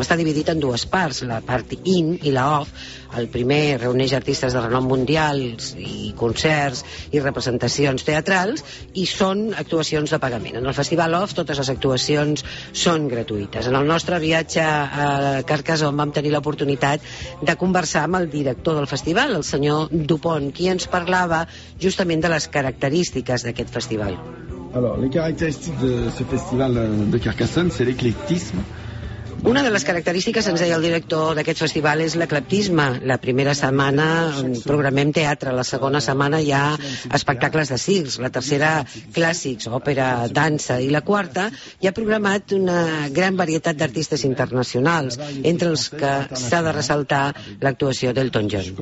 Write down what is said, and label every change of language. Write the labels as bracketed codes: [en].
[ca] Està dividit en 2 parts, la part in i la off. El primer reuneix artistes de renom mundial i concerts i representacions teatrals i són actuacions de pagament. En el Festival Off totes les actuacions són gratuïtes. En el nostre viatge a Carcassonne vam tenir l'oportunitat de conversar amb el director del festival, el senyor Dupont, qui ens parlava justament de les característiques d'aquest festival. [fr] Alors, les caractéristiques de ce festival de Carcassonne, c'est l'éclectisme. [ca] Una de les característiques, ens deia el director d'aquest festival, és l'eclectisme. La primera setmana programem teatre, la segona setmana hi ha espectacles de circs, la tercera clàssics, òpera, dansa, i la quarta hi ha programat una gran varietat d'artistes internacionals, entre els que s'ha de ressaltar l'actuació d'Elton John.